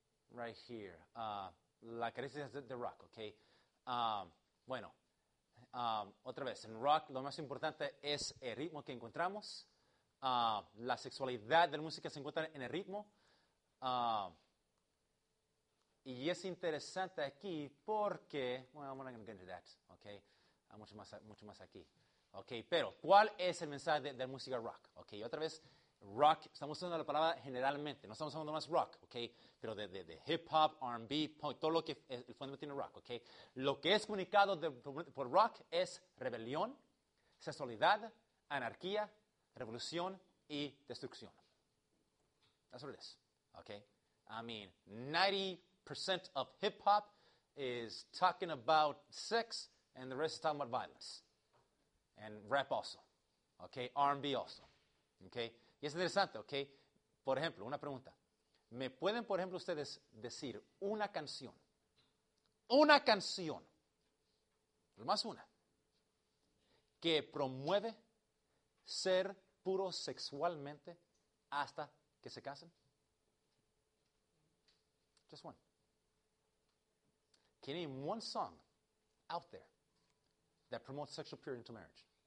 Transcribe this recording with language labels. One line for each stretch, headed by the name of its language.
English: Right here.
Spanish: La carencia de rock, ok. Bueno, otra vez, en rock lo más importante es el ritmo que encontramos. La sexualidad de la música se encuentra en el ritmo. Y es interesante aquí porque,
English: well, I'm not going to get into that, okay?
Spanish: Hay mucho más aquí. Okay, pero, ¿cuál es el mensaje de la música rock? Okay, otra vez, rock, estamos usando la palabra generalmente, no estamos hablando más rock, okay? Pero de hip-hop, R&B, punk, todo lo que es, el fundamento tiene rock, okay? Lo que es comunicado por rock es rebelión, sexualidad, anarquía, revolución y destrucción.
English: That's what it is, okay? I mean, 90% of hip-hop is talking about sex, and the rest is talking about violence. And rap also, okay? R&B also, okay?
Spanish: Y es interesante,
English: okay?
Spanish: Por ejemplo, una pregunta. ¿Me pueden, por ejemplo, ustedes decir una canción? Una canción. Más una. Que promueve ser puro sexualmente hasta que se casen.
English: Just one. Can you name one song out there that promotes sexual purity into marriage?